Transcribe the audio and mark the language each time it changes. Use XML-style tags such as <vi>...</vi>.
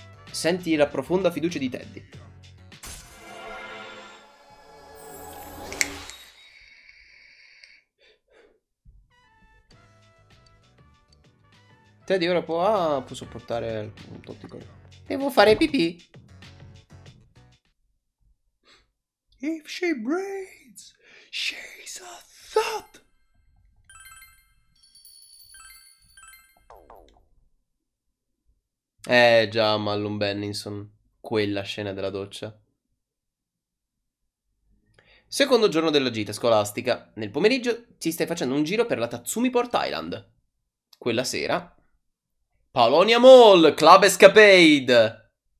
<it>Senti la profonda fiducia di Teddy. Teddy ora può sopportare un tot di cose. Devo fare pipì.</it> <en>If she breathes, she's a thot.</en> <it>Già, Mallum Bennison. Quella scena della doccia. Secondo giorno della gita scolastica. Nel pomeriggio ci stai facendo un giro per la Tatsumi Port Island. Quella sera... Polonia Mall, Club Escapade!</it>